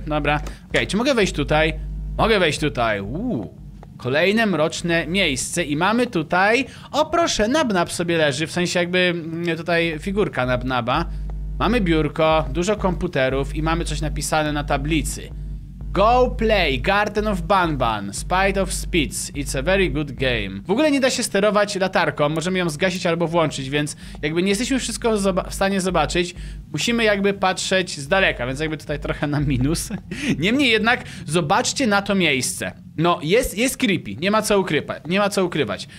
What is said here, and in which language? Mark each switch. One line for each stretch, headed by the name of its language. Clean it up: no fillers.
Polish: Dobra, okej, czy mogę wejść tutaj? Mogę wejść tutaj, kolejne mroczne miejsce i mamy tutaj... O proszę, Nabnab sobie leży, w sensie jakby tutaj figurka Nabnaba. Mamy biurko, dużo komputerów i mamy coś napisane na tablicy.
English: Go play Garden of Banban, Spite of Speeds, it's a very good game.
Polish: W ogóle nie da się sterować latarką, możemy ją zgasić albo włączyć, więc jakby nie jesteśmy wszystko w stanie zobaczyć, musimy jakby patrzeć z daleka, więc jakby tutaj trochę na minus. Niemniej jednak, zobaczcie na to miejsce. No, jest creepy, nie ma co ukrywać.